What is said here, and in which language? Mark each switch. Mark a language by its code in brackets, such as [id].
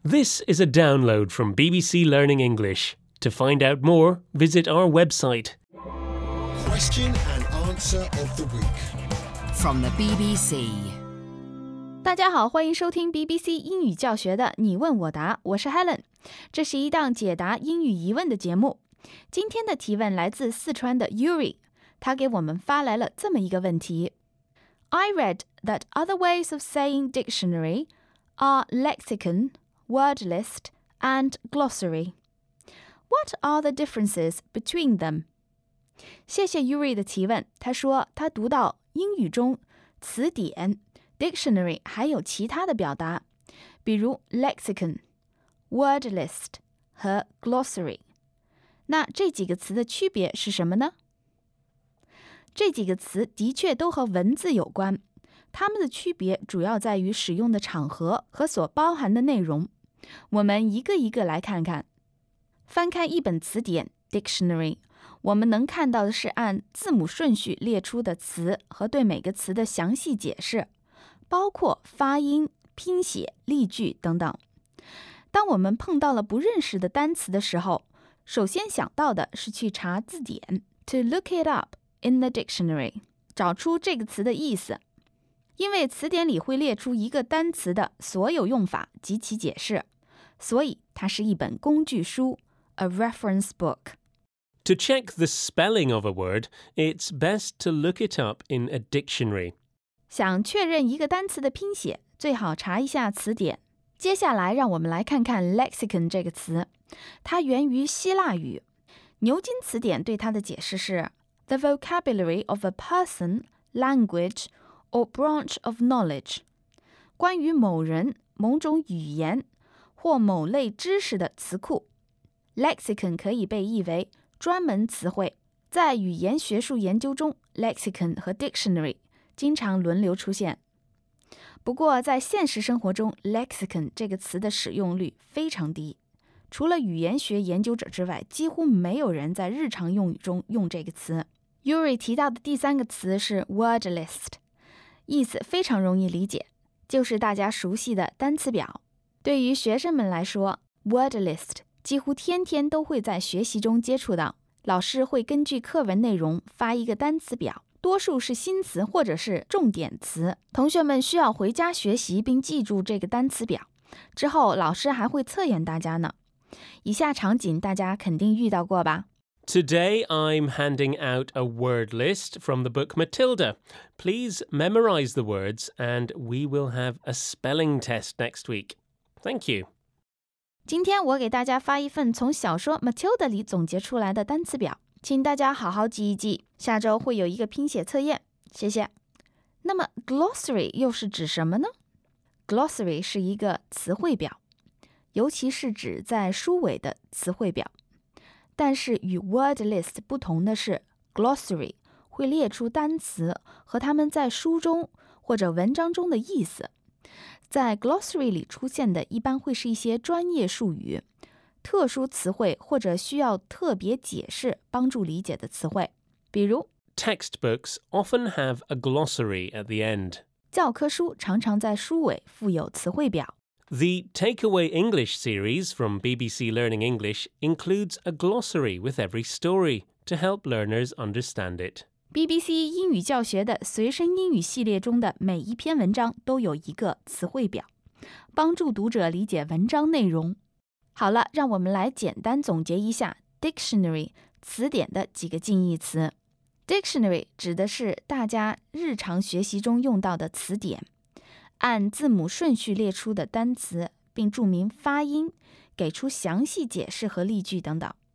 [en] This is a download from BBC Learning English. To find out more, visit our website. Question and answer of the week from the BBC. [zh] 大家好，欢迎收听 BBC 英语教学的你问我答，我是 Helen。这是一档解答英语疑问的节目。今天的提问来自四川的 Yuri， 他给我们发来了这么一个问题。 [en] I read that other ways of saying dictionary are lexicon, word list, and glossary. What are the differences between them? [zh] 谢谢 Yuri 的提问，他说他读到英语中词典 dictionary 还有其他的表达，比如 lexicon, word list 和 glossary。那这几个词的区别是什么呢？这几个词的确都和文字有关，它们的区别主要在于使用的场合和所包含的内容。我们一个一个来看看。翻开一本词典 Dictionary， 我们能看到的是按字母顺序列出的词和对每个词的详细解释，包括发音、拼写、例句等等。当我们碰到了不认识的单词的时候，首先想到的是去查字典 [en] To look it up in the dictionary， [zh] 找出这个词的意思，因为词典里会列出一个单词的所有用法及其解释，所以它是一本工具书 [en] A reference book。 To check the spelling of a word, it's best to look it up in a dictionary。 [zh] 想确认一个单词的拼写，最好查一下词典。接下来让我们来看看 lexicon 这个词，它源于希腊语。牛津词典对它的解释是 [en] The vocabulary of a person, language, or branch of knowledge. [zh] 关于某人、某种语言或某类知识的词库。 Lexicon 可以被译为专门词汇。在语言学术研究中， Lexicon 和 Dictionary 经常轮流出现。不过在现实生活中， Lexicon 这个词的使用率非常低。除了语言学研究者之外，几乎没有人在日常用语中用这个词。 Yuri 提到的第三个词是 word list， 意思非常容易理解，就是大家熟悉的单词表。对于学生们来说， word list 几乎天天都会在学习中接触到，老师会根据课文内容发一个单词表，多数是新词或者是重点词，同学们需要回家学习并记住这个单词表，之后老师还会测验大家呢。以下场景大家肯定遇到过吧。 [en] Today I'm handing out a word list from the book Matilda. Please memorize the words and we will have a spelling test next week. Thank you. [zh] 今天我给大家发一份从小说 Matilda 里总结出来的单词表，请大家好好记一记，下周会有一个拼写测验，谢谢。那么 glossary 又是指什么呢？Glossary 是一个词汇表，尤其是指在书尾的词汇表。但是与 word list 不同的是， glossary 会列出单词和它们在书中或者文章中的意思。在 glossary 里出现的一般会是一些专业术语、特殊词汇或者需要特别解释帮助理解的词汇。比如 [en] textbooks often have a glossary at the end. [zh] 教科书常常在书尾附有词汇表。 [en] The Takeaway English series from BBC Learning English includes a glossary with every story to help learners understand it. [zh] BBC 英语教学的随身英语系列中的每一篇文章都有一个词汇表，帮助读者理解文章内容。好了，让我们来简单总结一下 dictionary 词典的几个近义词。 Dictionary 指的是大家日常学习中用到的词典，按字母顺序列出的单词，并注明发音，给出详细解释和例句等等。